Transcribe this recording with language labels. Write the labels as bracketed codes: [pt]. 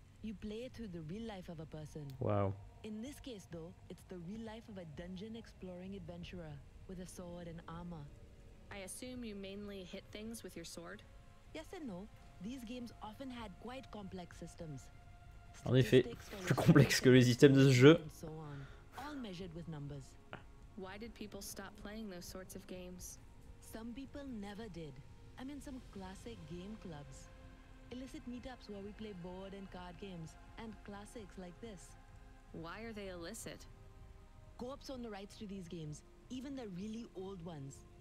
[en] You play it through the real life of a person. Wow. In this case, though, it's the real life of a dungeon-exploring adventurer with a sword and armor. I assume you mainly hit things with your sword? Yes and no. These games often had quite complex systems. [fr] En effet, plus complexe que les systèmes de ce jeu. [en] All measured with numbers. Why did people stop playing those sorts of games? Some people never did. I'm in some classic game clubs. Illicit meetups where we play board and card games, and classics like this. Why are they illicit? Co-ops own the rights to these games, even the really old ones.